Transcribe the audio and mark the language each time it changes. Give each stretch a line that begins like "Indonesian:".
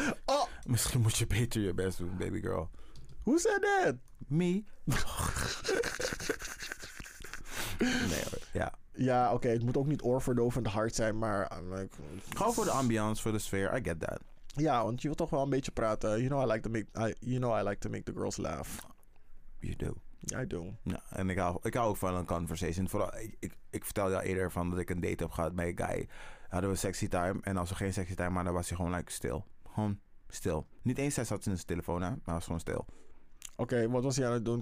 Dutch: Oh. Misschien moet je beter je best doen, baby girl.
English: Who said that? Me.
Dutch: Nee, hoor. Ja. Ja, oké. Okay. Het moet ook niet oorverdovend hard zijn, maar... Gewoon voor de ambiance, voor de sfeer.
English: I get that.
Dutch: Ja, want je wilt toch wel een beetje praten.
English: You know I like to make, I like to make the girls laugh. You do. I do.
Dutch: Ja, en ik hou ook van een conversation. Vooral, ik vertelde al eerder van dat ik een date heb gehad met een guy. Hadden we sexy time. En als we geen sexy time hadden, was hij gewoon like stil. Gewoon stil. Niet eens hij zat in zijn telefoon, hè, maar was gewoon stil. Oké, okay, wat was hij aan het doen?